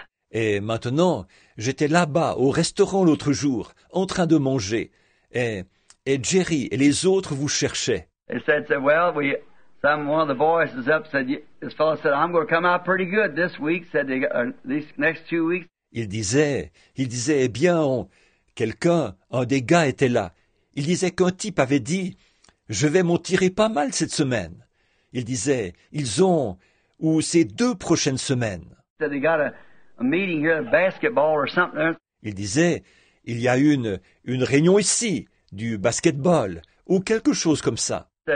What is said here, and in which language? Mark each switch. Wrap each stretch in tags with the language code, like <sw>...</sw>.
<fr>Et maintenant, j'étais là-bas au restaurant l'autre jour, en train de manger, et Jerry et les autres vous cherchaient.</fr> <en>They said, well, one of the boys is up. Said this fellow said, I'm going to come out pretty good this week. Said these next 2 weeks.</en> <fr>Il disait, eh bien, un des gars était là. Il disait qu'un type avait dit, je vais m'en tirer pas mal cette semaine. Il disait, ils ont, ou ces deux prochaines semaines.</fr> <en>They got a meeting here, a basketball or something.</en> <fr>Il disait, il y a une réunion ici, du basketball, ou quelque chose comme ça.</fr>